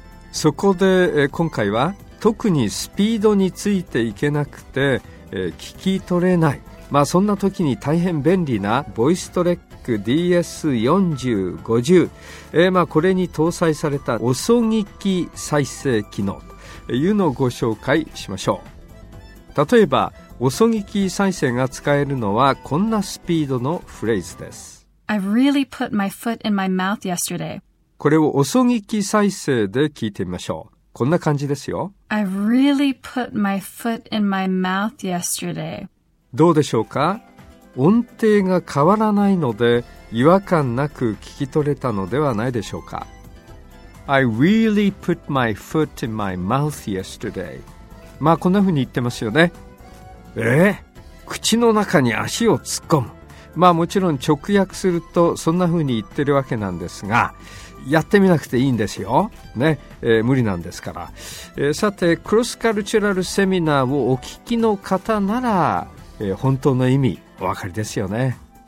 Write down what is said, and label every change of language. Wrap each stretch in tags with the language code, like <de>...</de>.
<ja>そこで今回は特にスピードについていけなくて聞き取れない、まあそんな時に大変便利なボイストレック DS4050、まあこれに搭載された遅聞き再生機能というのをご紹介しましょう。例えば遅聞き再生が使えるのはこんなスピードのフレーズです。</ja> <en>I really put my foot in my mouth yesterday.</en> <ja>これを遅聞き再生で聞いてみましょう。こんな感じですよ。</ja> <en>I really put my foot in my mouth yesterday.</en> <ja>どうでしょうか？音程が変わらないので違和感なく聞き取れたのではないでしょうか？</ja> <en>I really put my foot in my mouth yesterday.</en> <ja>まあこんな風に言ってますよね。口の中に足を突っ込む、まあもちろん直訳するとそんな風に言ってるわけなんですが、やってみなくていいんですよ、ね、無理なんですから、さてクロスカルチュラルセミナーをお聞きの方なら、本当の意味お分かりですよね。</ja>